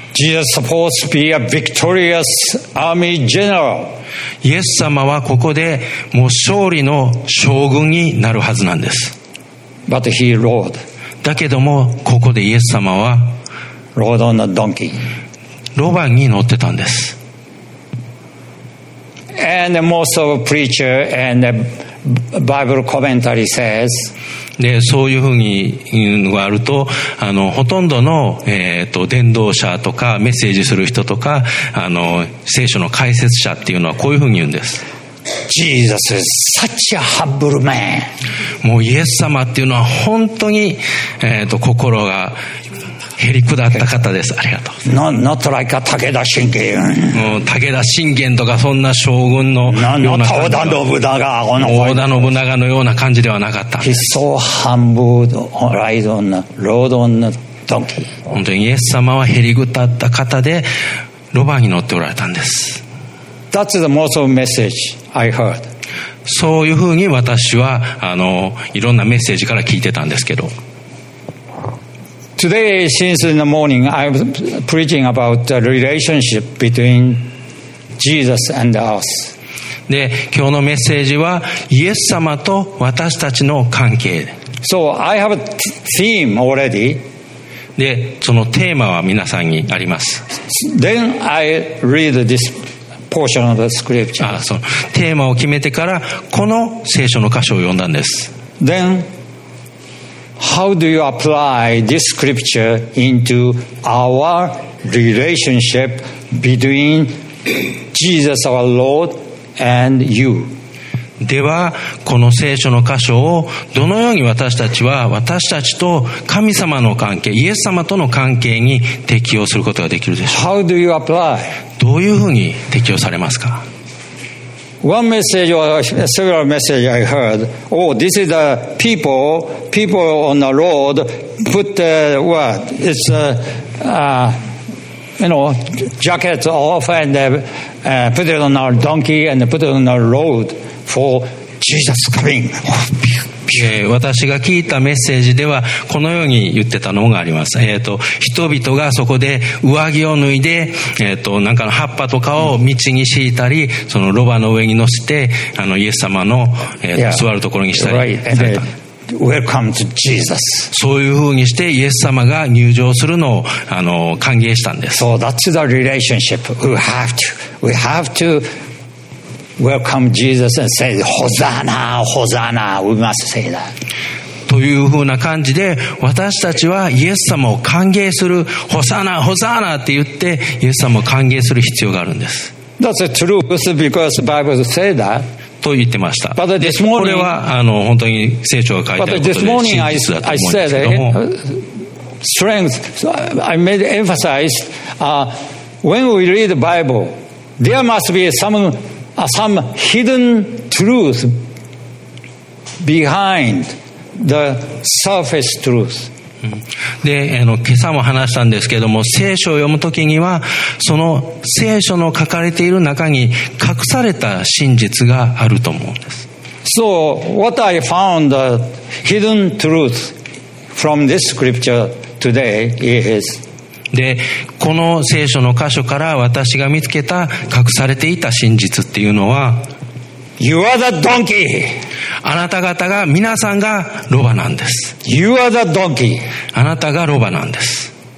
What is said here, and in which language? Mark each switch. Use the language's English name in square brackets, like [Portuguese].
[English] Jesus supposed to be a victorious army general. [Japanese] イエス様はここでもう勝利の将軍になるはずなんです。 [English] But he rode. [Japanese] だけどもここでイエス様はロードのドンキーロバに乗ってたんです。 [English] And most of preacher and Bible commentary says [Japanese] でそういうふうにがあるとほとんどの、伝道者とかメッセージする人とか聖書の解説者っていうのはこういうふうに言うんです。 [English] Jesus is such a humble man. [Japanese] もうイエス様っていうのは本当に、心がへりくだった方です。ありがとう。 [English] Not like a 武田信玄。 [Japanese] もう武田信玄とかそんな将軍のような感じ。 [English] Not [Japanese] 織田信長のような感じではなかった。 [English] He's so humble, ride on a road on a donkey. [Japanese] 本当にイエス様はへりくだった方でロバに乗っておられたんです。 [English] That's the most of message I heard. [Japanese] そういうふうに私はいろんなメッセージから聞いてたんですけど。 [English] Today, since in the morning, I'm preaching about the relationship between Jesus and us. [Japanese] で、今日のメッセージはイエス様と私たちの関係。 [English] So I have a theme already. [Japanese] で、そのテーマは皆さんにあります。 [English] Then I read thisportion of the scripture. [Japanese] そのテーマを決めてからこの聖書の箇所を読んだんです。 [English] Then how do you apply this scripture into our relationship between Jesus our Lord and you? [Japanese] ではこの聖書の箇所をどのように私たちは私たちと神様の関係イエス様との関係に適用することができるでしょう。 [English] How do you apply [Japanese] どういうふうに適用されますか。 [English] One message or several messages I heard. Oh, this is the people on the road put the, what? It's a, you know, jacket off and put it on a donkey and put it on a road for Jesus coming. [Japanese] 私が聞いたメッセージではこのように言ってたのがあります。人々がそこで上着を脱いで、なんかの葉っぱとかを道に敷いたり、そのロバの上に乗せてあのイエス様の、座るところにしたりされた。 [English] Welcome to Jesus. [Japanese] そういうふうにしてイエス様が入場するのをあの歓迎したんです。 [English] So that's the relationship. We have to welcome Jesus and say Hosanna, Hosanna. We must say that. [Japanese] というふうな感じで私たちはイエス様を歓迎する Hosanna, Hosanna って言ってイエス様を歓迎する必要があるんです。 [English] That's the truth because the Bible says that. [Japanese] と言ってました。 [English] But this morning, [Japanese] これはあの本当に聖書が書いてあることで真実だと思うんですけども。 [English] But this morning I said strength. So I made emphasize when we read the Bible, there must be some hidden truth behind the surface truth. [Japanese] で今朝も話したんですけども、聖書を読むときにはその聖書の書かれている中に隠された真実があると思うんです。 [English] So what I found the hidden truth from this scripture today is、 [Japanese] でこの聖書の箇所から私が見つけた隠されていた真実っていうのは、 [English] You are the donkey。 [Japanese] あなた方が皆さんがロバなんです。 [English] You are the donkey. [Japanese] あなたがロバなんです。